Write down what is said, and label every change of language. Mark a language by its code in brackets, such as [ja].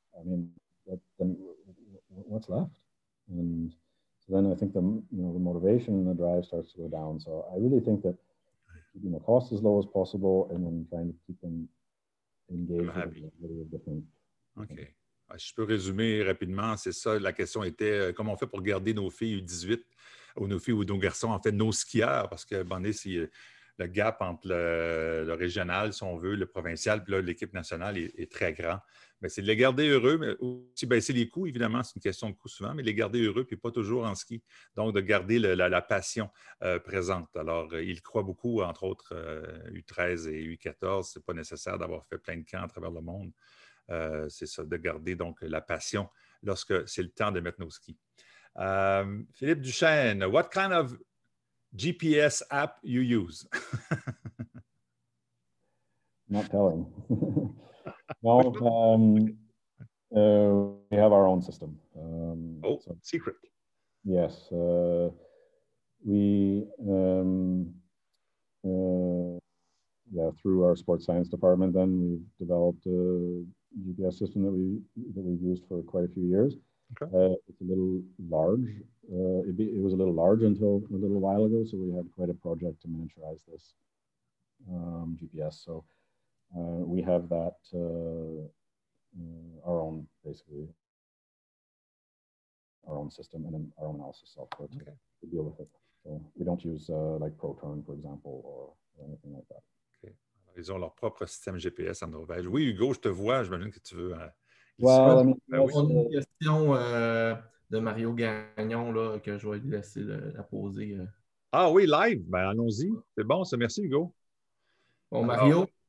[en] I mean, then what's left? And so then I think the motivation and the drive starts to go down. So I really think that keeping the cost as low as possible and then trying to keep them engaged. I'm happy. [fr] Okay. Je peux résumer rapidement. C'est ça. La question était comment on fait pour garder nos filles 18? Ou nos filles ou nos garçons, en fait, nos skieurs, parce que, bon, c'est le gap entre le régional, si on veut, le provincial, puis là, l'équipe nationale est très grand. Mais c'est de les garder heureux, mais aussi baisser les coûts, évidemment, c'est une question de coûts souvent, mais les garder heureux, puis pas toujours en ski. Donc, de garder la passion présente. Alors, ils croient beaucoup, entre autres, U13 et U14, c'est pas nécessaire d'avoir fait plein de camps à travers le monde. C'est ça, de garder, donc, la passion lorsque c'est le temps de mettre nos skis. [en] Philippe Duchesne, what kind of GPS app you use? Not telling. No, we have our own system. Secret. Yes. Through our sports science department, then we've developed a GPS system that we've used for quite a few years. Okay. It's a little large it was a little large until a little while ago, so we had quite a project to miniaturize this GPS. So we have that our own, basically, our own system and then our own analysis software to, okay, deal with it. So we don't use like ProTurn, for example, or anything like that. Okay. [fr] Ils ont leur propre système GPS en Norvège. Oui, Hugo, je te vois. J'imagine que tu veux... [en] Well, [fr] on a une question de Mario Gagnon là, que je vais lui laisser la poser. Ah oui, live. Ben, allons-y. C'est bon, c'est merci, Hugo. Bon, alors, Mario.